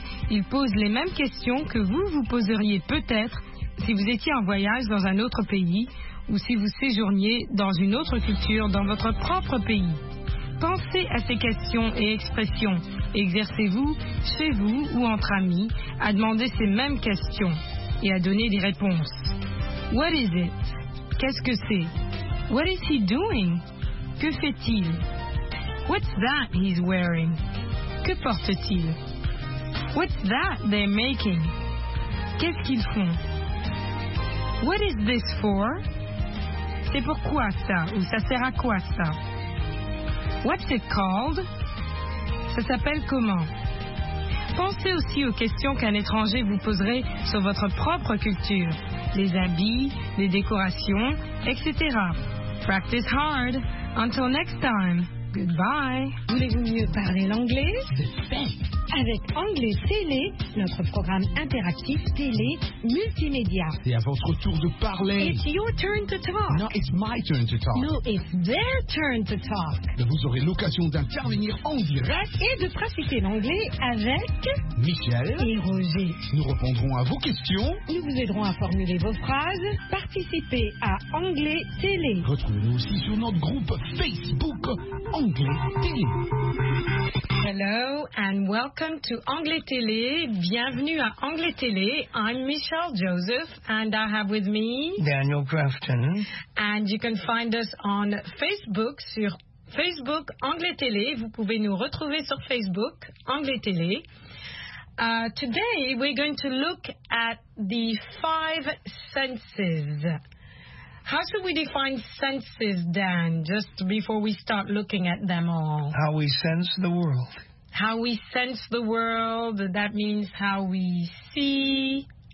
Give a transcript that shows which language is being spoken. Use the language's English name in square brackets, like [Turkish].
[French] Il pose les mêmes questions que vous vous poseriez peut-être si vous étiez en voyage dans un autre pays ou si vous séjourniez dans une autre culture dans votre propre pays. Pensez à ces questions et expressions. Exercez-vous, chez vous ou entre amis, à demander ces mêmes questions et à donner des réponses. [English] What is it? [French] Qu'est-ce que c'est? [English] What is he doing? [French] Que fait-il? [English] What's that he's wearing? [French] Que porte-t-il? [English] What's that they're making? [French] Qu'est-ce qu'ils font? [English] What is this for? [French] C'est pour quoi ça? Ou ça sert à quoi ça? [English] What's it called? [French] Ça s'appelle comment? Pensez aussi aux questions qu'un étranger vous poserait sur votre propre culture. Les habits, les décorations, etc. [English] Practice hard. Until next time. Goodbye. [French] Voulez-vous mieux parler l'anglais? Avec Anglais Télé, notre programme interactif télé multimédia. C'est à votre tour de parler. [English] It's your turn to talk. No, it's my turn to talk. No, it's their turn to talk. [French] Vous aurez l'occasion d'intervenir en direct et de pratiquer l'anglais avec Michel et Roger. Nous répondrons à vos questions. Nous vous aiderons à formuler vos phrases. Participez à Anglais Télé. Retrouvez-nous aussi sur notre groupe Facebook Anglais Télé. [English] Hello and welcome to Anglais Télé. [French] Bienvenue à Anglais Télé. [English] I'm Michelle Joseph and I have with me Daniel Grafton. And you can find us on Facebook, sur Facebook Anglais Télé. [French] Vous pouvez nous retrouver sur Facebook Anglais Télé. [English] Today we're going to look at the five senses. How should we define senses, Dan, just before we start looking at them all? How we sense the world. How we sense the world, that means how we see.